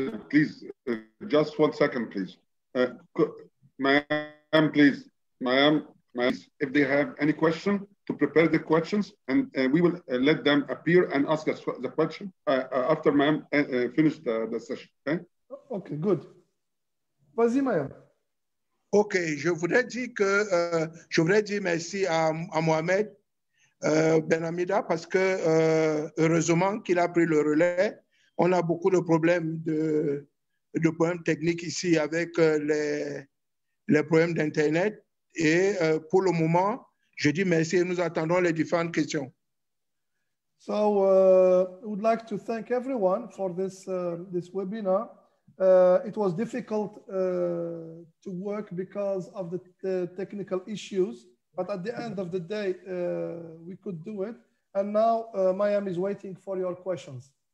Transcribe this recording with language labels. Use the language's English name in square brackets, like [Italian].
[English] please, just 1 second, please. Ma'am, please, ma'am, if they have any question, to prepare the questions, and we will let them appear and ask us the question after ma'am finished the session. Okay, okay, good. [French] Vas-y, [English] ma'am. [French] Okay, je voudrais dire que je voudrais dire merci à Mohamed Benhamida parce que heureusement qu'il a pris le relais. On a beaucoup de problèmes de problèmes techniques ici avec les problèmes d'internet et pour le moment, je dis merci et nous attendons les différentes questions. [English] So, I would like to thank everyone for this this webinar. It was difficult to work because of the technical issues, but at the end of the day, we could do it. And now, Mayam is waiting for your questions.